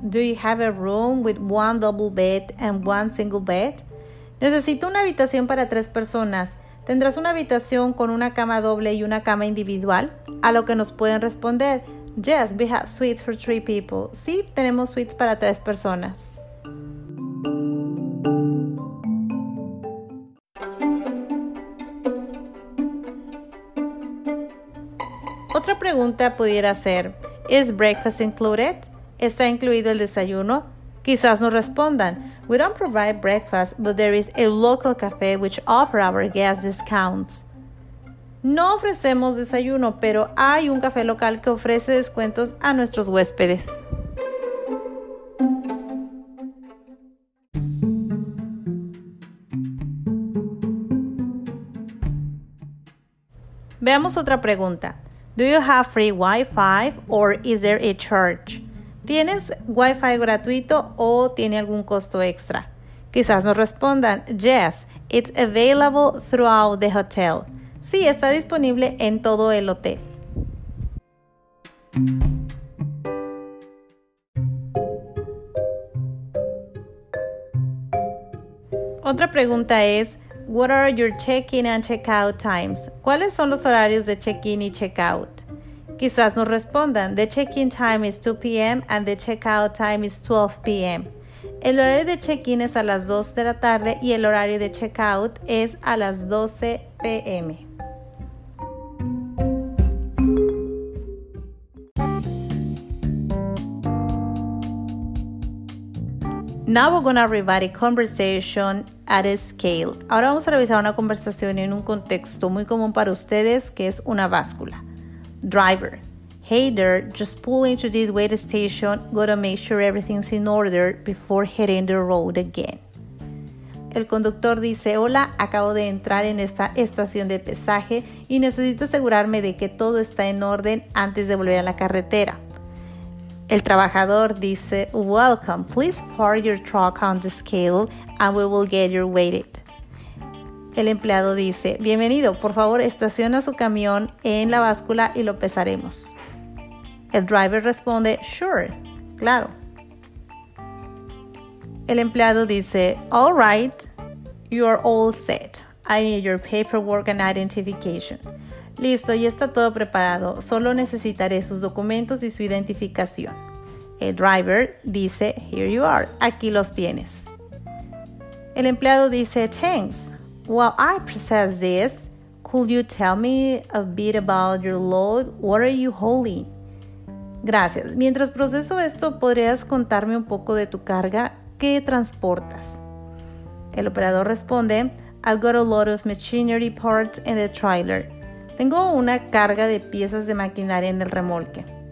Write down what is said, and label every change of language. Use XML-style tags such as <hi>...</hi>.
<en>Do you have a room with 1 double bed and 1 single bed?</en> <es>Necesito una habitación para 3 personas. ¿Tendrás una habitación con una cama doble y una cama individual? A lo que nos pueden responder,</es> <en>yes, we have suites for 3 people.</en> <es>Sí, tenemos suites para 3 personas. Otra pregunta pudiera ser,</es> <en>is breakfast included?</en> <es>¿Está incluido el desayuno? Quizás nos respondan,</es> <en>we don't provide breakfast, but there is a local cafe which offers our guests discounts.</en> <es>No ofrecemos desayuno, pero hay un café local que ofrece descuentos a nuestros huéspedes. Veamos otra pregunta.</es> <en>Do you have free Wi-Fi or is there a charge?</en> <es>¿Tienes Wi-Fi gratuito o tiene algún costo extra? Quizás nos respondan,</es> <en>yes, it's available throughout the hotel.</en> <es>Sí, está disponible en todo el hotel. Otra pregunta es,</es> <en>what are your check-in and check-out times?</en> <es>¿Cuáles son los horarios de check-in y check-out? Quizás nos respondan,</es> <en>the check-in time is 2 p.m. and the check-out time is 12 p.m.</en> <es>El horario de check-in es a las 2 de la tarde y el horario de check-out es a las 12 p.m.</es> <en>Now we're going to revise a conversation at a scale.</en> <es>Ahora vamos a revisar una conversación en un contexto muy común para ustedes, que es una báscula.</es> <en>Driver. Hey there, just pull into this weight station, gotta make sure everything's in order before hitting the road again.</en> <es>El conductor dice, hola, acabo de entrar en esta estación de pesaje y necesito asegurarme de que todo está en orden antes de volver a la carretera. El trabajador dice,</es> <en>welcome, please park your truck on the scale and we will get you weighted.</en> <es>El empleado dice, bienvenido, por favor estaciona su camión en la báscula y lo pesaremos. El driver responde, sure, claro. El empleado dice,</es> <en>all right, you're all set. I need your paperwork and identification.</en> <es>Listo, ya está todo preparado. Solo necesitaré sus documentos y su identificación. El driver dice,</es> <en>here you are.</en> <es>Aquí los tienes. El empleado dice, thanks.</es> <en>While I process this, could you tell me a bit about your load? What are you hauling? Gracias.</en> <es>Mientras proceso esto, ¿podrías contarme un poco de tu carga? ¿Qué transportas? El operador responde,</es> <en>I've got a lot of machinery parts in the trailer.</en> <es>Tengo una carga de piezas de maquinaria en el remolque.</es>